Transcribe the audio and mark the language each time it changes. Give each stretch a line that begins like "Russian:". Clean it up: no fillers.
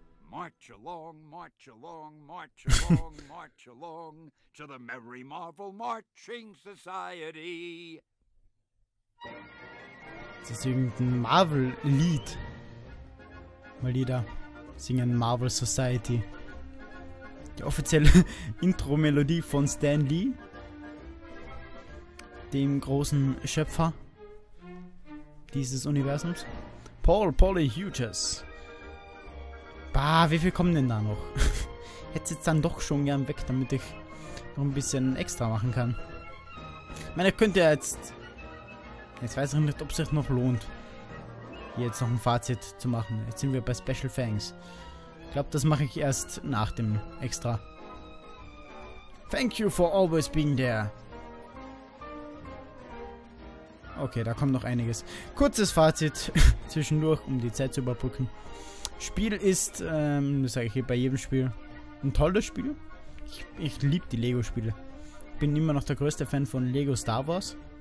English: March along, march along, march along, march along to the Merry Marvel Marching Society.
German: Das ist irgendein Marvel-Lied. Mal wieder singen Marvel Society. Die offizielle Intro-Melodie von Stan Lee, dem großen Schöpfer dieses Universums. Paulie Hughes. Bah, wie viel kommen denn da noch? Hätte jetzt dann doch schon gern weg, damit ich noch ein bisschen extra machen kann. Ich meine, ich könnte jetzt. Jetzt weiß ich nicht, ob es sich noch lohnt, hier jetzt noch ein Fazit zu machen. Jetzt sind wir bei Special Thanks. Ich glaube, das mache ich erst nach dem Extra.
English: Thank you for always being there.
German: Okay, da kommt noch einiges. Kurzes Fazit zwischendurch, um die Zeit zu überbrücken. Spiel ist, das sage ich hier bei jedem Spiel, ein tolles Spiel. Ich liebe die Lego-Spiele. Bin immer noch der größte Fan von Lego Star Wars.